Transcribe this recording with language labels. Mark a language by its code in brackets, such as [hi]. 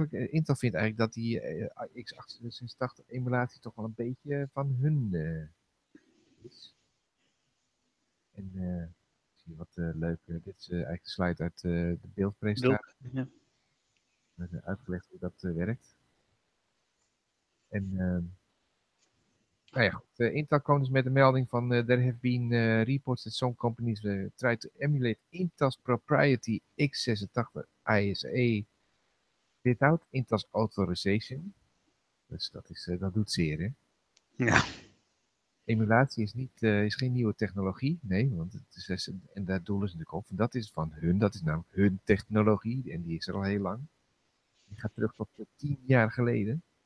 [nl] Intel vindt eigenlijk dat die x86 emulatie toch wel een beetje van hun is. En zie je wat leuk. Dit is eigenlijk een slide uit de beeldpresentatie. Met uitgelegd hoe dat werkt. En Intel kwam dus met de melding van [en] there have been reports that some companies try to emulate Intel's proprietary x86 ISA without Intel's authorization. [nl] Dus dat doet zeer, hè? Ja. Emulatie is geen nieuwe technologie. Nee, want het is en daar doelen ze natuurlijk op. En dat is van hun. Dat is namelijk hun technologie. En die is er al heel lang. Die gaat terug tot 10 jaar geleden.